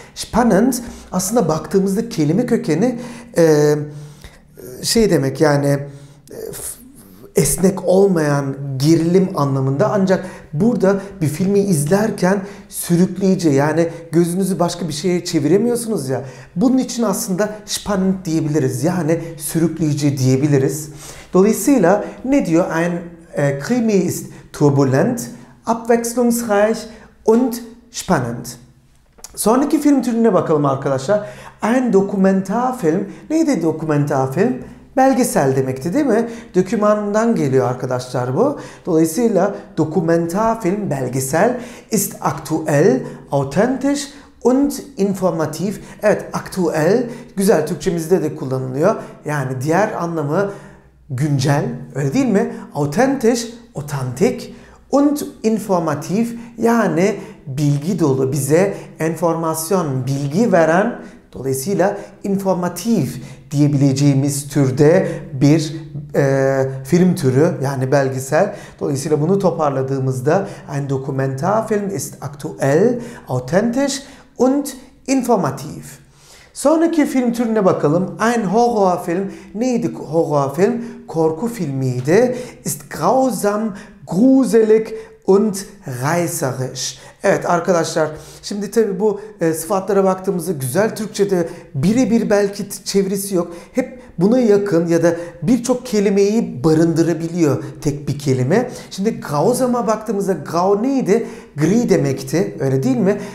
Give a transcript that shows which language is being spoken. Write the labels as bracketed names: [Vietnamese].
[Turkish] Spannend aslında baktığımızda kelime kökeni şey demek yani esnek olmayan gerilim anlamında, ancak burada bir filmi izlerken sürükleyici, yani gözünüzü başka bir şeye çeviremiyorsunuz ya, bunun için aslında spannend diyebiliriz, yani sürükleyici diyebiliriz. Dolayısıyla ne diyor? [German] Ein Krimi ist turbulent, abwechslungsreich und spannend. [Turkish] Sonraki film türüne bakalım arkadaşlar. [German] Ein Dokumentarfilm. [Turkish] Neydi Dokumentarfilm? Belgesel demekti değil mi? Dokümandan geliyor arkadaşlar bu. [German] Dolayısıyla Dokumentarfilm, belgesel, ist aktuell, authentisch und informativ. [Turkish] Evet, aktuell güzel Türkçemizde de kullanılıyor. Yani diğer anlamı güncel, öyle değil mi? Authentisch, otantik und informativ, yani bilgi dolu, bize enformasyon, bilgi veren, dolayısıyla informativ diyebileceğimiz türde bir film türü, yani belgesel. Dolayısıyla bunu toparladığımızda [German] ein Dokumentarfilm ist aktuell, authentisch und informativ. [Turkish] Sonraki film türüne bakalım. [German] Ein Horrorfilm. [Turkish] Neydi Horrorfilm? Korku filmiydi. [German] Ist grausam, gruselig und reißerisch. [Turkish] Evet arkadaşlar, şimdi tabii bu sıfatlara baktığımızda güzel Türkçe'de birebir belki çevirisi yok. Hep buna yakın ya da birçok kelimeyi barındırabiliyor tek bir kelime. Şimdi grausam'a baktığımızda grau neydi? Gri demekti, öyle değil mi?